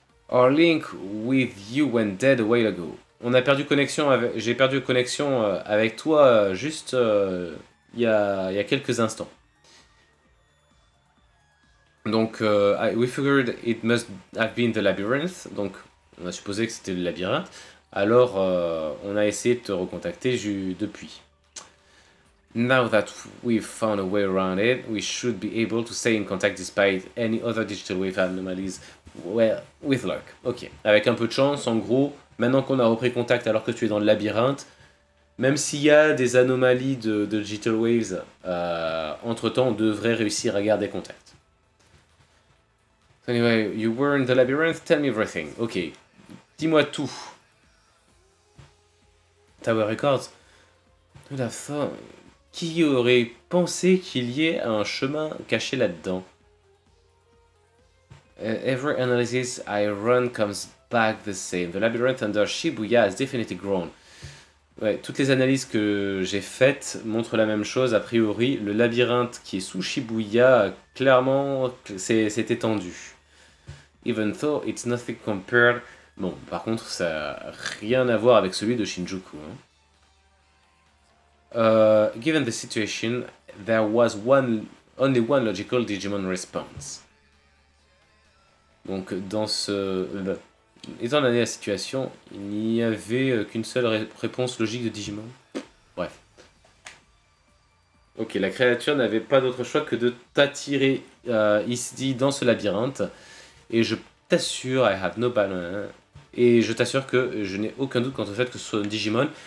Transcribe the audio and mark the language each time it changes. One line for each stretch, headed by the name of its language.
English: Our link with you went dead a while ago.
French: J'ai perdu connexion avec toi juste il y a quelques instants.
English: Donc, we figured it must have been the labyrinth.
French: Donc, on a supposé que c'était le labyrinthe. Alors, on a essayé de te recontacter depuis.
English: Now that we've found a way around it, we should be able to stay in contact despite any other digital wave anomalies. Well, with luck.
French: Ok. Avec un peu de chance, en gros, maintenant qu'on a repris contact alors que tu es dans le labyrinthe, même s'il y a des anomalies de digital waves, entre-temps, on devrait réussir à garder contact.
English: Anyway, you were in the labyrinth, tell me everything.
French: Ok. Dis-moi tout.
English: Tower Records.
French: Qui aurait pensé qu'il y ait un chemin caché là-dedans?
English: Every analysis I run comes back the same. The labyrinth under Shibuya has definitely grown.
French: Ouais, toutes les analyses que j'ai faites montrent la même chose. A priori, le labyrinthe qui est sous Shibuya, clairement, c'est étendu.
English: Even though it's nothing compared.
French: Bon, par contre, ça n'a rien à voir avec celui de Shinjuku. Hein.
English: Given the situation, there was only one logical Digimon response.
French: Donc, dans ce. Étant donné la situation, il n'y avait qu'une seule réponse logique de Digimon. Bref. Ok, la créature n'avait pas d'autre choix que de t'attirer ici dans ce labyrinthe. Et je t'assure,
English: I have no banner.
French: Et je t'assure que je n'ai aucun doute quant au fait que ce soit un Digimon.